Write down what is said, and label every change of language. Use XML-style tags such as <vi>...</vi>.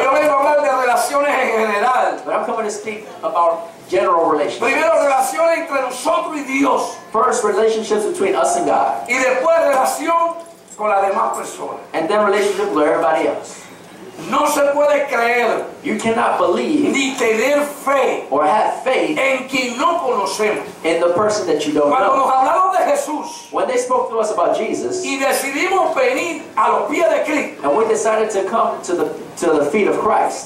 <es>Pero yo vengo a hablar de relaciones en general.</es> <en>But I'm coming to speak about general relationships.</en> <es>Primero, relaciones entre nosotros y Dios.</es> <en>First, relationships between us and God.</en> <es>Y después, relación con las demás personas.</es> <en>And then relationship with everybody else.</en> <es>No se puede creer,</es> <en>you cannot believe,</en> <es>ni tener fe,</es> <en>or have faith,</en> <es>en quien no conocemos,</es> <en>in the person that you don't</en> <es>cuando</es> <en>know.</en> <es>Cuando nos hablaron de Jesús,</es> <en>when they spoke to us about Jesus,</en> <es>y decidimos venir a los pies de Cristo,</es> <en>and we decided to come to the feet of Christ,</en>